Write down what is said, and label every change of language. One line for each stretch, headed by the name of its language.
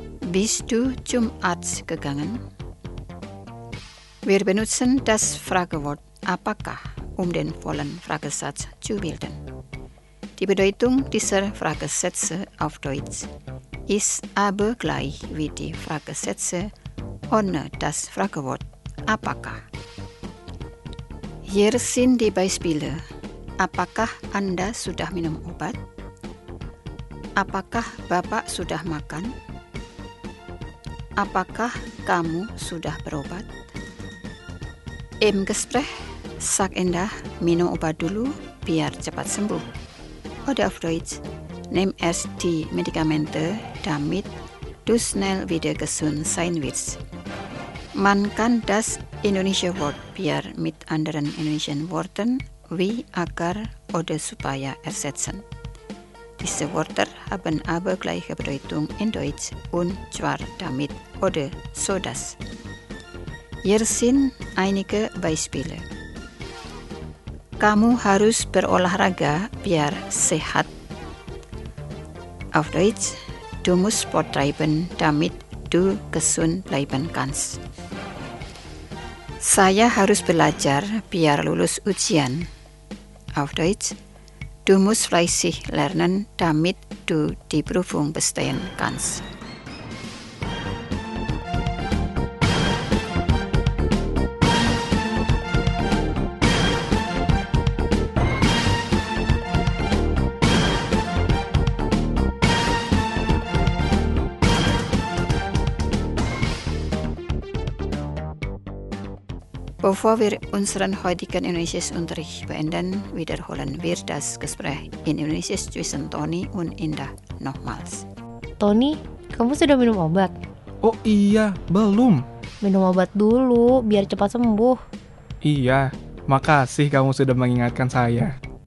German: Bist du zum Arzt gegangen? Wir benutzen das Fragewort apakah, um den vollen Fragesatz zu bilden. Die Bedeutung dieser Fragesätze auf Deutsch ist aber gleich wie die Fragesätze ohne das Fragewort apakah. Hier sind die Beispiele.
Indonesian: Apakah Anda sudah minum obat? Apakah Bapak sudah makan? Apakah kamu sudah berobat?
German: Im Gespräch, sag
Indonesian: Indah minum obat dulu biar cepat sembuh.
German: Oder auf Deutsch, nimm erst die Medikamente, damit du schnell wieder gesund sein wirst. Man kan das Indonesia Wort biar mit anderen Indonesian Worten wie agar oder supaya ersetzen. Diese Wörter haben aber gleiche Bedeutung in Deutsch und zwar damit oder so das. Hier sind einige Beispiele.
Indonesian: Kamu harus berolahraga biar sehat.
German: Auf Deutsch, du musst Sport treiben, damit du gesund bleiben kannst.
Indonesian: Saya harus belajar biar lulus ujian.
German: Auf Deutsch, du musst fleißig lernen, damit du die Prüfung bestehen kannst. Bevor wir unseren heutigen Indonesisch-Unterricht beenden, wiederholen wir das Gespräch in Indonesisch zwischen Toni und Indah nochmals.
Indonesian: Toni, kamu sudah minum obat? Oh iya, belum. Minum obat dulu, biar cepat sembuh. Iya, makasih kamu sudah mengingatkan saya.